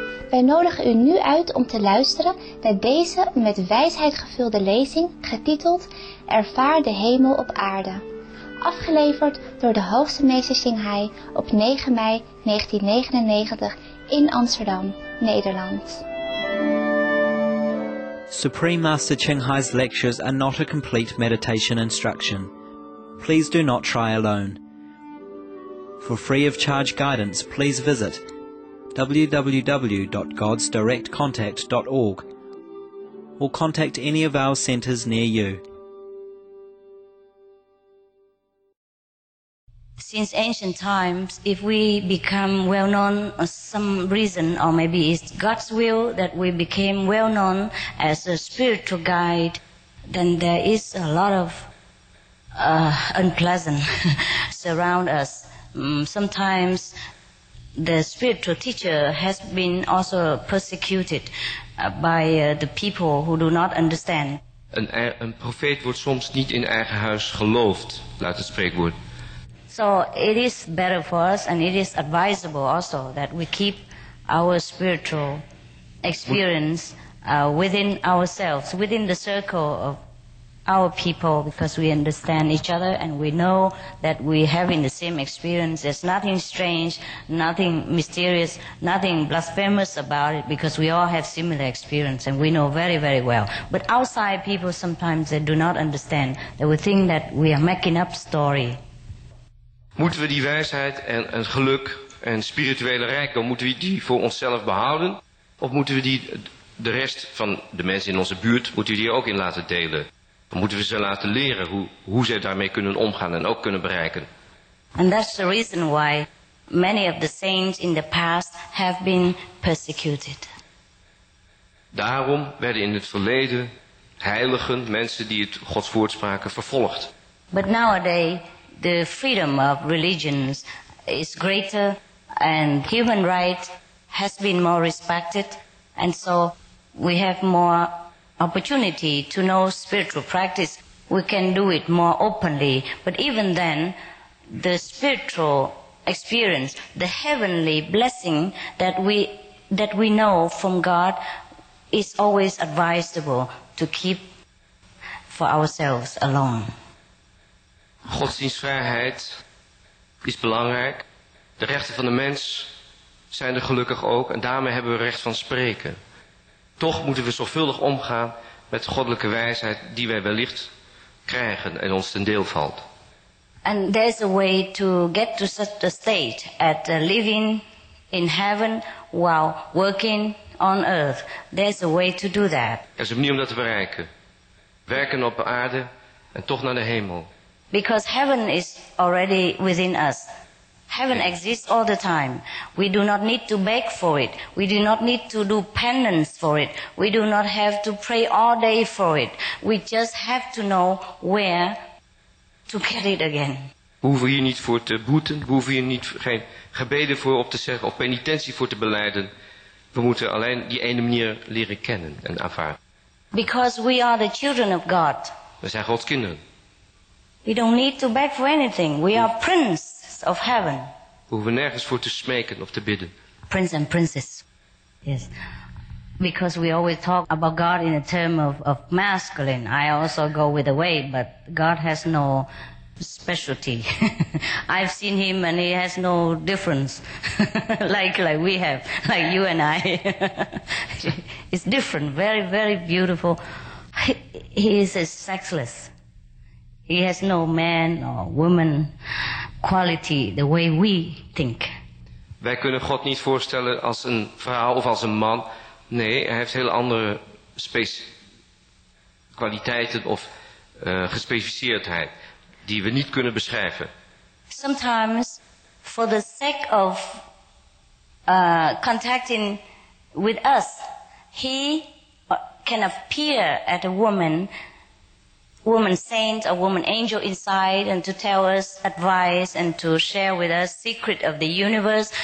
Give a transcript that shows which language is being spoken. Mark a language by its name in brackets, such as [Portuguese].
[Dutch] Wij nodigen u nu uit om te luisteren naar deze met wijsheid gevulde lezing getiteld Ervaar de hemel op aarde, afgeleverd door de Hoogste Meester Shanghai op 9 mei 1999 in Amsterdam, Nederland. [English] Supreme Master Shanghai's lectures are not a complete meditation instruction. Please do not try alone. For free of charge guidance, please visit www.godsdirectcontact.org or contact any of our centers near you. Since ancient times, if we become well known for some reason, or maybe it's God's will that we became well known as a spiritual guide, then there is a lot of unpleasant surround us. Sometimes the spiritual teacher has been also persecuted by the people who do not understand. [Dutch] Een profeet wordt soms niet in eigen huis geloofd, luidt het spreekwoord. [English] So it is better for us, and it is advisable also that we keep our spiritual experience within ourselves, within the circle of our people, because we understand each other and we know that we have in the same experience. There's nothing strange, nothing mysterious, nothing blasphemous about it, because we all have similar experience and we know very, very well. But outside people sometimes they do not understand. They will think that we are making up story. [Dutch] Moeten we die wijsheid en geluk en spirituele rijkdom, moeten we die voor onszelf behouden? Of moeten we die de rest van de mensen in onze buurt, moeten we die ook in laten delen? Of moeten we ze laten leren hoe ze daarmee kunnen omgaan en ook kunnen bereiken? [English] And that's the reason why many of the saints in the past have been persecuted. [Dutch] Daarom werden in het verleden heiligen, mensen die het Gods woord spraken, vervolgd. [English] But nowadays the freedom of religions is greater and human rights has been more respected, and so we have more opportunity to know spiritual practice. We can do it more openly, but even then the spiritual experience, the heavenly blessing that we know from God is always advisable to keep for ourselves alone. [Dutch] Godsdienstvrijheid is belangrijk. De rechten van de mens zijn er gelukkig ook. En daarmee hebben we recht van spreken. Toch moeten we zorgvuldig omgaan met goddelijke wijsheid die wij wellicht krijgen en ons ten deel valt. [English] And there's a way to get to such a state at living in heaven while working on earth. There's a way to do that. [Dutch] Er is een manier om dat te bereiken. Werken op aarde en toch naar de hemel. [English] Because heaven is already within us. Heaven exists all the time. We do not need to beg for it. We do not need to do penance for it. We do not have to pray all day for it. We just have to know where to get it again. [Dutch] We hoeven hier niet voor te boeten. We hoeven hier niet geen gebeden voor op te zeggen of penitentie voor te beleiden. We moeten alleen die ene manier leren kennen en ervaren. [English] Because we are the children of God. [Dutch] We zijn Gods kinderen. [English] We don't need to beg for anything. We are princes of heaven. [Dutch] We hoeven nergens voor te smeken of te bidden. [English] Prince and princess. Yes. Because we always talk about God in a term of masculine. I also go with the way, but God has no specialty. I've seen him and he has no difference. like we have, like you and I. It's different, very, very beautiful. He is sexless. He has no man or woman quality the way we think. [Dutch] Wij kunnen God niet voorstellen als een vrouw of als een man. Nee, hij heeft heel andere kwaliteiten of gespecificeerdheid die we niet kunnen beschrijven. [English] Sometimes for the sake of contacting with us, he can appear at a woman saint, a woman angel inside, and to tell us advice and to share with us secret of the universe.